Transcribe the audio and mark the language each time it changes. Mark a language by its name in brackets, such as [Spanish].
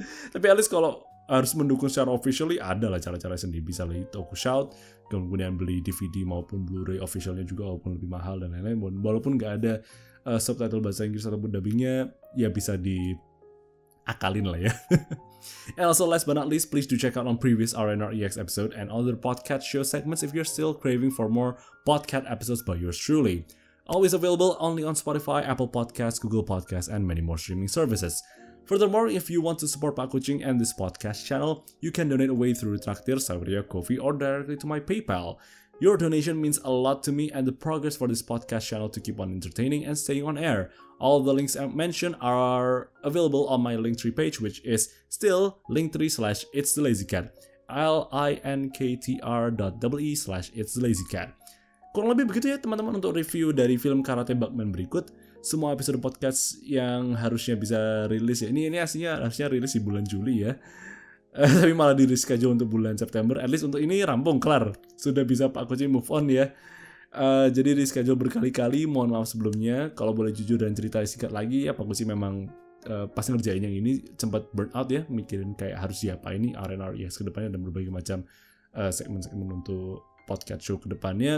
[Indonesian] Tapi at least kalau harus mendukung secara officially, ada lah cara-cara sendiri. Bisa beli Toku Shout, kemudian beli DVD maupun Blu-ray officialnya juga walaupun lebih mahal dan lain-lain. Walaupun nggak ada subtitle bahasa Inggris ataupun dubbingnya, ya bisa diakalin lah ya. [English] And also last but not least, please do check out on previous RNREx episode and other podcast show segments if you're still craving for more podcast episodes by yours truly. Always available only on Spotify, Apple Podcasts, Google Podcasts, and many more streaming services. Furthermore, if you want to support Pak Kucing and this podcast channel, you can donate away through Traktir, Saveria, Ko-fi, or directly to my PayPal. Your donation means a lot to me and the progress for this podcast channel to keep on entertaining and staying on air. All the links mentioned are available on my Linktree page, which is still linktree.com/itsthelazycat. linktr.ee/itsthelazycat. [Indonesian] Kurang lebih begitu ya teman-teman untuk review dari film Karate Bugman berikut. Semua episode podcast yang harusnya bisa rilis ya. Ini aslinya harusnya rilis di bulan Juli ya. Tapi malah di-reschedule untuk bulan September. At least untuk ini rampung, kelar. Sudah bisa Pak Kucing move on ya. Jadi reschedule berkali-kali, mohon maaf sebelumnya. Kalau boleh jujur dan cerita singkat lagi ya, Pak Kucing memang pas ngerjain yang ini sempat burn out ya, mikirin kayak harus siapa ini RNREx ke depannya dan berbagai macam segmen-segmen untuk podcast show ke depannya.